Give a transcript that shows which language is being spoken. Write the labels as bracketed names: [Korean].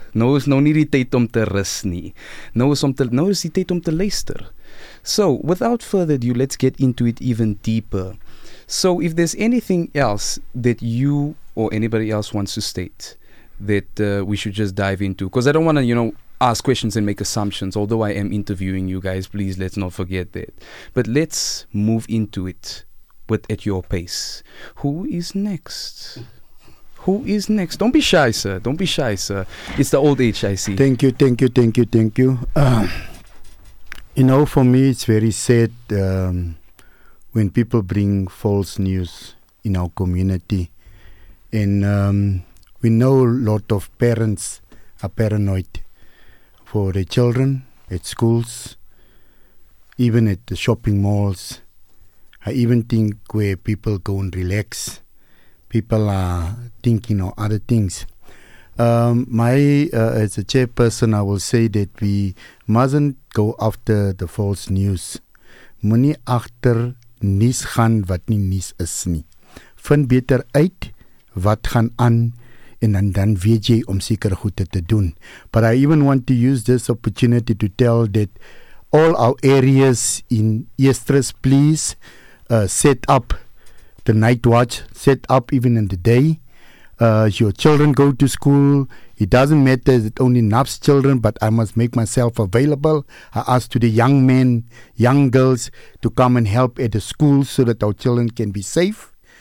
[Afrikaans] Nou is nou nie die tyd om te rus nie. Nou is die tyd om te luister. [English] So, without further ado, let's get into it even deeper. So, if there's anything else that you or anybody else wants to state that we should just dive into, because I don't want to, you know, ask questions and make assumptions, although I am interviewing you guys, please let's not forget that. But let's move into it with at your pace. Who is next? Who is next? Don't be shy, sir. Don't be shy, sir. It's the old age, I see. Thank you, thank you, thank you, thank you. You know, for me, it's very sad when people bring false news in our community. And we know a lot of parents are paranoid for their children at schools, even at the shopping malls. I even think where people go and relax, people are thinking of other things. As a chairperson, I will say that we mustn't go after the false news. [Afrikaans] Moenie agter nuus gaan wat nie nuus is nie. Vind beter uit wat gaan aan en dan weet jy om seker goed te doen. [English] But I even want to use this opportunity to tell that all our areas in Estrus, please set up the night watch, set up even in the day. As your children go to school, it doesn't matter if it's only NAPS children, but I must make myself available. I ask to the young men, young girls, to come and help at the school so that our children can be safe.